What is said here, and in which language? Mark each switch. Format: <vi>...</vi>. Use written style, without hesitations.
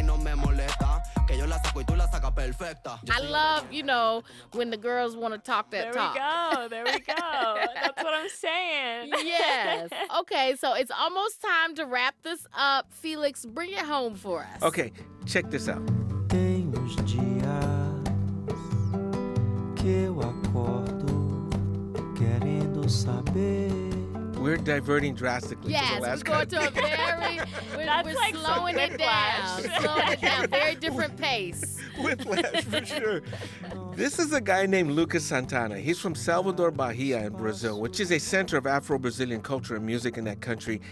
<en>I love, you know, when the girls want to talk that talk. There we go. That's what I'm saying. Yes. Okay, so it's almost time to wrap this up. Felix, bring it home for us. Okay, check this out.</en> <pt>Tem uns dias que eu acordo querendo saber.</pt> <en>We're diverting drastically. Yes, to the last we're going to a very, we're like slowing it down. Very different pace. Whiplash, for sure. This is a guy named Lucas Santana. He's from Salvador, Bahia in Brazil, which is a center of Afro-Brazilian culture and music in that country.</en>